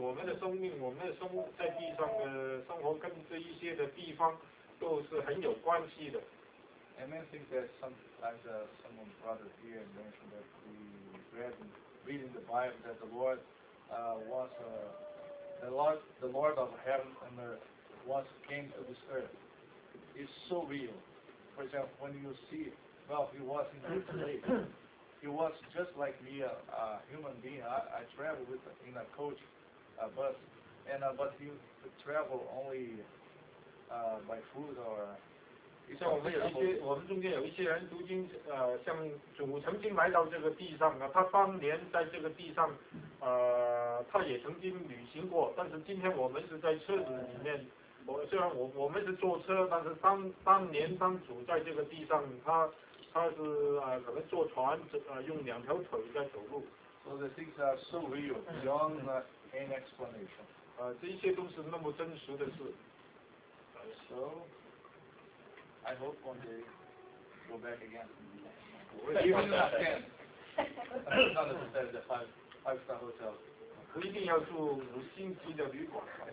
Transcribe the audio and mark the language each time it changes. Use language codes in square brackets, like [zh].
[en] And I think that sometimes someone brought it here and mentioned that we read in reading the Bible that the Lord was the Lord of heaven and earth was came to this earth. It's so real. For example, when you see, well, he was in a plane. He was just like me, a human being. I travel with in a coach, a bus, and but he travel only by food or. [zh] 像我们有一些，我们中间有一些人，如今像主曾经来到这个地上啊，他当年在这个地上，他也曾经旅行过，但是今天我们是在车子里面。我虽然我们是坐车，但是当年当主在这个地上，他是可能坐船，用两条腿在走路。 [en] So the things are so real, beyond any explanation. [zh] 这些都是那么真实的事。 [en] So I hope one day go back again. Even if I can. Not necessarily the five-star hotel. [zh] 一定要住五星级的旅馆。